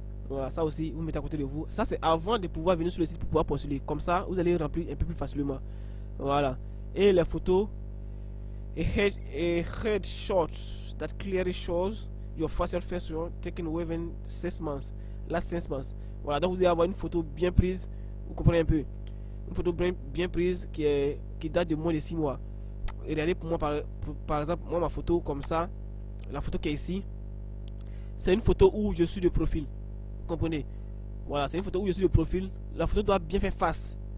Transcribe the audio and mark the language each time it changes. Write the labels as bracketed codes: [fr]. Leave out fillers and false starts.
[fr] Voilà, ça aussi vous mettez à côté de vous. Ça c'est avant de pouvoir venir sur le site pour pouvoir postuler. Comme ça vous allez remplir un peu plus facilement. Voilà. Et les photos, [en] headshots that clearly shows your facial feature taken within 6 months, last 6 months. [fr] Voilà, donc vous allez avoir une photo bien prise, vous comprenez un peu, une photo bien prise qui date de moins de 6 mois. Et regardez, pour moi par exemple, moi ma photo comme ça, la photo qui est ici, c'est une photo où je suis de profil. Comprenez, voilà, c'est une photo où je suis de profil. La photo doit bien faire face.